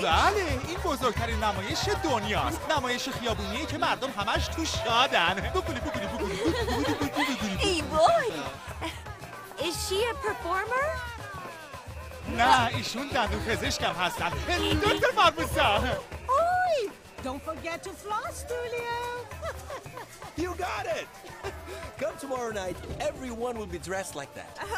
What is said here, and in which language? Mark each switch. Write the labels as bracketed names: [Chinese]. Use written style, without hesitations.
[Persian] بله، این بزرگترین نمایش دنیاست. نمایش خیابونیه که مردم همش تو شادن. بگولی بگولی بگولی بگولی بگولی بگولی. [English] ای بای، is she a performer؟ [Persian] نه، ایشون دندون پزشکم هستن، دکتر فرموسان. [English] اوی، don't forget to floss, Tulio. You got it. Come tomorrow night, everyone will be dressed like that.